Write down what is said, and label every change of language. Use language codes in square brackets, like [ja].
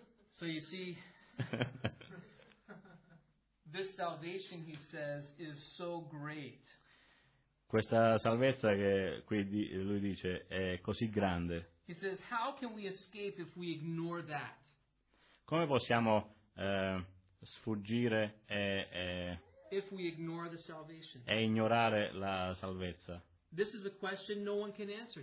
[en] So you see, this salvation, he says, is so great. [it] Questa salvezza che qui lui dice è così grande. [en] He says, how can we escape if we ignore that? [it] Come possiamo sfuggire [en] if we ignore the salvation? [it] E ignorare la salvezza? [en] This is a question no one can answer.